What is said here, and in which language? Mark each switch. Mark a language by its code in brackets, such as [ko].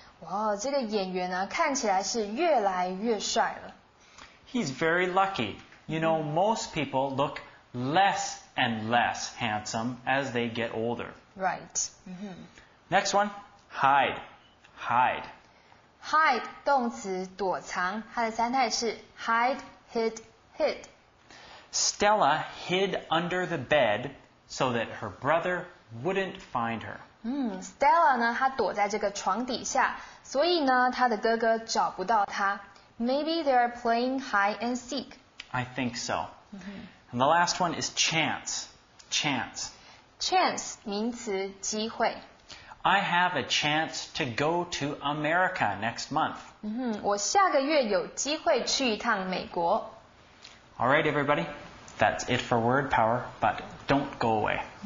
[zh] 哇，这个演员呢，看起来是越来越帅了。 [en] He's very lucky. You know, most people look less and less handsome as they get older. Right. Next one, hide. Hide. [zh] Hide, 动词躲藏，它的三态是 hide, hit, hit. [en] Stella hid under the bed so that her brother wouldn't find her. [zh] Stella 呢她躲在这个床底下所以呢她的哥哥找不到她。 [en] Maybe they are playing hide and seek. I think so. And the last one is chance. Chance. [zh] Chance, 名词机会。 [en] I have a chance to go to America next month. [zh] 我下个月有机会去一趟美国。 [en] All right, everybody, that's it for Word Power, but don't go away.